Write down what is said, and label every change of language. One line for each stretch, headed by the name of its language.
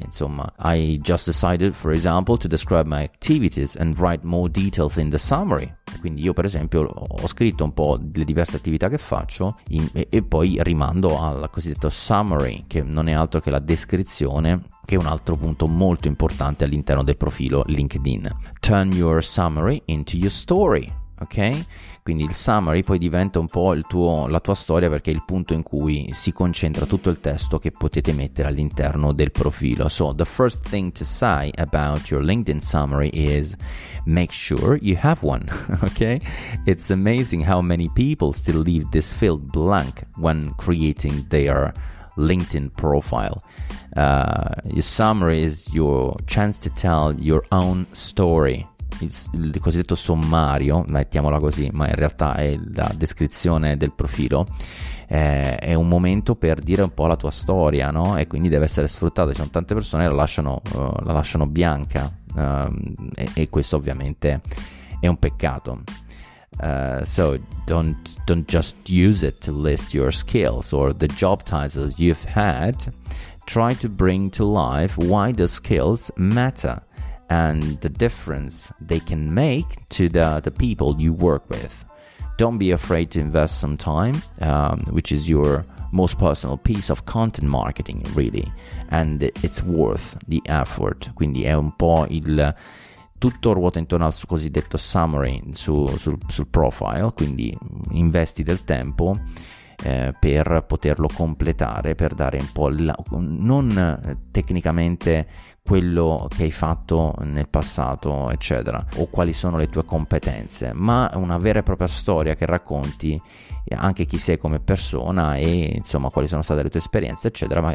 English: Insomma, I just decided for example to describe my activities and write more details in the summary.
Italian: Quindi io per esempio ho scritto un po' le diverse attività che faccio e poi rimando al cosiddetto summary, che non è altro che la descrizione, che è un altro punto molto importante all'interno del profilo LinkedIn.
English: Turn your summary into your story.
Italian: Ok, quindi il summary poi diventa un po' la tua storia, perché è il punto in cui si concentra tutto il testo che potete mettere all'interno del profilo.
English: So the first thing to say about your LinkedIn summary is make sure you have one. Ok, it's amazing how many people still leave this field blank when creating their LinkedIn profile. Your summary is your chance to tell your own story.
Italian: Il cosiddetto sommario, mettiamola così, ma in realtà è la descrizione del profilo, è un momento per dire un po' la tua storia, no? E quindi deve essere sfruttato. Ci sono tante persone che la lasciano bianca, e questo ovviamente è un peccato.
English: So don't just use it to list your skills or the job titles you've had. Try to bring to life why the skills matter and the difference they can make to the people you work with. Don't be afraid to invest some time, which is your most personal piece of content marketing, really, and it's worth the effort.
Italian: Quindi è un po' il tutto ruota intorno al cosiddetto summary sul profile. Quindi investi del tempo per poterlo completare, per dare un po' non tecnicamente quello che hai fatto nel passato, eccetera, o quali sono le tue competenze, ma una vera e propria storia che racconti anche chi sei come persona e insomma quali sono state le tue esperienze, eccetera.